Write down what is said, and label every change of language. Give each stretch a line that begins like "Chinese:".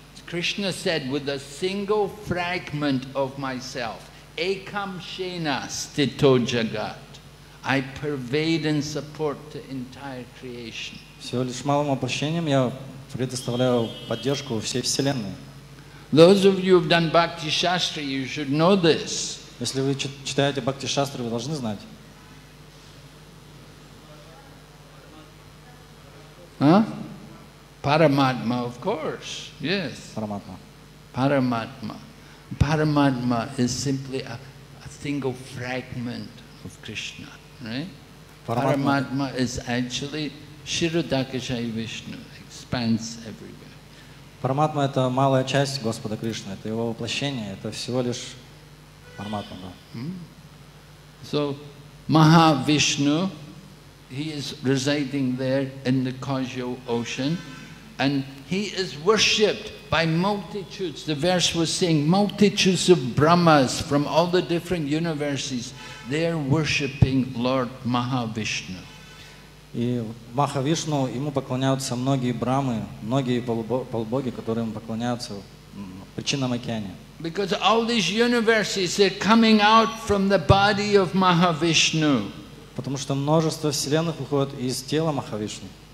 English: Krishna said, with a single fragment of myself,
Sanskrit: ekam shena stito jagat,
English: I pervade and support the entire creation.
Russian: Всего лишь малым воплощением я предоставляю поддержку всей вселенной.
English: Those of you who have done Bhakti Shastra, you should know this.
Russian: Если вы читаете Бхакти Шастры, вы должны знать.
English: Huh? Paramatma, of course. Yes. Paramatma. Paramatma. Paramatma is simply a single fragment of Krishna. Right? Paramatma is actually Shirodakshay Vishnu, expands everywhere.
Russian: Paramatma — это малая часть Господа Кришны, это его воплощение, это всего лишь Paramatma. Да.
English: So Mahavishnu, he is residing there in the causal ocean, and he is worshipped by multitudes. The verse was saying multitudes of Brahmas from all the different universes. They're worshipping Lord Mahavishnu.
Russian: И Махавишну ему поклоняются многие брамы, многие полубоги, которым поклоняются причинам океане.
English: Because all these universes are coming out from the body of Mahavishnu.
Russian: Потому что множество вселенных выходит из тела Махавишну.